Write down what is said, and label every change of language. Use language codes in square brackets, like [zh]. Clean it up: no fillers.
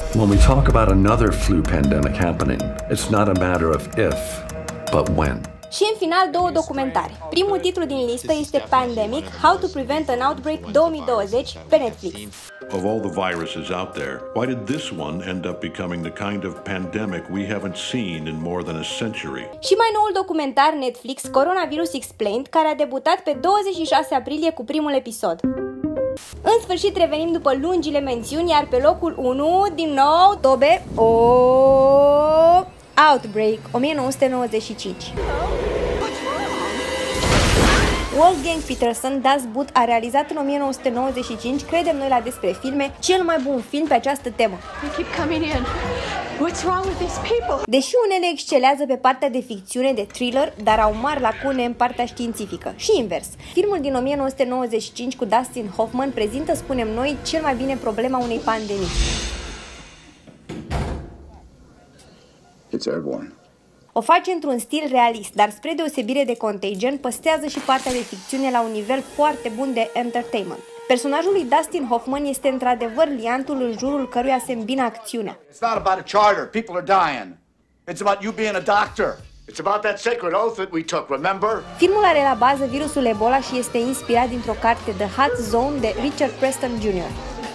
[en] When we talk about another flu pandemic happening, it's not a matter of if, but when. [ro] Și în final, două documentare. Primul titlu din listă este Pandemic, How to Prevent an Outbreak 2020, pe Netflix. [en] Of all the viruses out there, why did this one end up becoming the kind of pandemic we haven't seen in more than a century? [ro] Și mai noul documentar Netflix, Coronavirus Explained, care a debutat pe 26 aprilie cu primul episod. În sfârșit revenim după lungile mențiuni, iar pe locul 1, din nou, Tobe, o... [en] Outbreak, 1995. [ro] Wolfgang Petersen, Das Boot, a realizat în 1995, credem noi la despre filme, cel mai bun film pe această temă. [en] What's wrong with these people? [ro] Deși unele excelează pe partea de ficțiune, de thriller, dar au mari lacune în partea științifică. Și invers. Filmul din 1995 cu Dustin Hoffman prezintă, spunem noi, cel mai bine problema unei pandemii. [en] It's airborne. [ro] O face într-un stil realist, dar spre deosebire de Contagion, păstrează și partea de ficțiune la un nivel foarte bun de entertainment. Personajul lui Dustin Hoffman este într-adevăr liantul în jurul căruia se îmbină acțiunea. [en] It's not about a charter, people are dying. It's about you being a doctor. It's about that sacred oath that we took, remember? [ro] Filmul are la bază virusul Ebola și este inspirat dintr-o carte, The Hot Zone, de Richard Preston Jr.